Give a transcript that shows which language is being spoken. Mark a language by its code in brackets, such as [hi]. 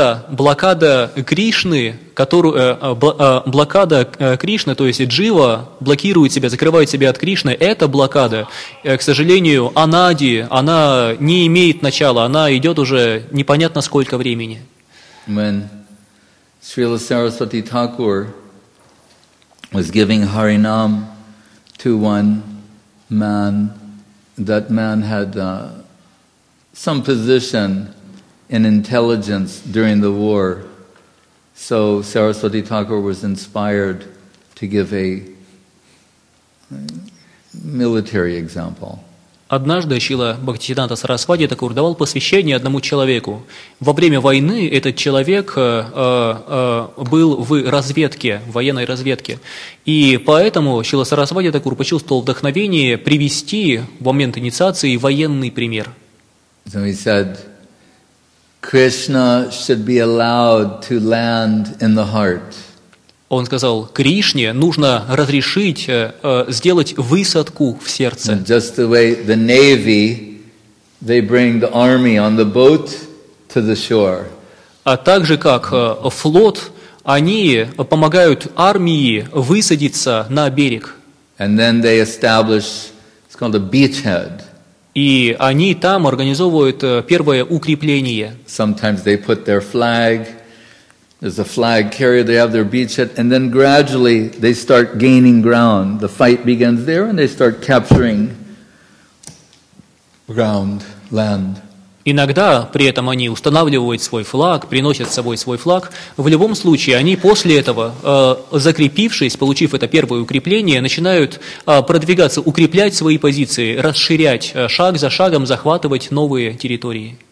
[ru] Блокада Кришны, блокада Кришны, то есть джива блокирует себя, закрывает себя от Кришны, эта блокада, к сожалению, анади, она не имеет начала, она идет уже непонятно сколько времени. [en] When Srila Saraswati Thakur was giving Harinam to one man, that man had some position in intelligence during the war, so Saraswati Thakur was inspired to give a military example. [ru] Однажды Шрила Бхактисиддханта Сарасвати Такур давал посвящение одному человеку. Во время войны этот человек был в разведке, в военной разведке. И поэтому Шрила Сарасвати Такур почувствовал вдохновение привести в момент инициации военный пример. [en] So he said, Krishna should be allowed to land in the heart. [ru] Он сказал, Кришне нужно разрешить сделать высадку в сердце. [en] And just the way the navy, they bring the army on the boat to the shore. [ru] А также как флот, они помогают армии высадиться на берег. [en] And then they establish, it's called a beachhead. [ru] И они там организовывают первое укрепление. [en] Sometimes they put their flag, there's a flag carrier, they have their beachhead, and then gradually they start gaining ground. The fight begins there and they start capturing ground, land. [ru] Иногда при этом они устанавливают свой флаг, приносят с собой свой флаг. В любом случае, они после этого, закрепившись, получив это первое укрепление, начинают продвигаться, укреплять свои позиции, расширять, шаг за шагом захватывать новые территории.